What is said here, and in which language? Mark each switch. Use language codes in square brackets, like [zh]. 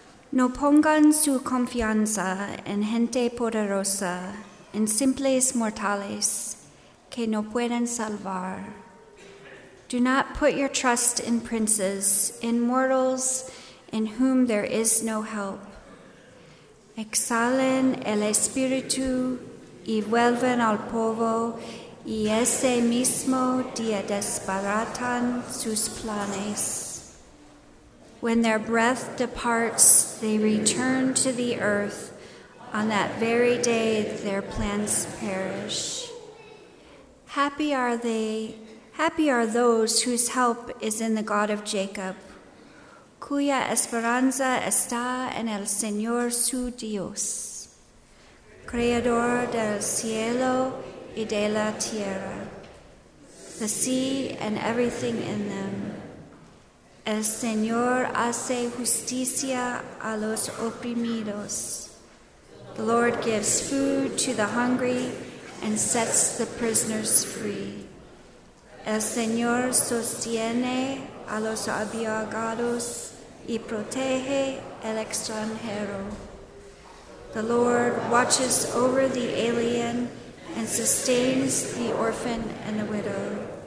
[es] No pongan su confianza en gente poderosa, en simples mortales, que no pueden salvar. [en] Do not put your trust in princes, in mortals in whom there is no help. [es] Exhalen el espíritu y vuelven al polvo, y ese mismo día desbaratan sus planes. [en] When their breath departs, they return to the earth. On that very day, their plans perish. Happy are they, happy are those whose help is in the God of Jacob, [es] cuya esperanza está en el Señor su Dios, creador del cielo y de la tierra, [en] the sea and everything in them. [es] El Señor hace justicia a los oprimidos. [en] The Lord gives food to the hungry and sets the prisoners free. [es] El Señor sostiene a los abiagados y protege el extranjero. [en] The Lord watches over the alien and sustains the orphan and the widow.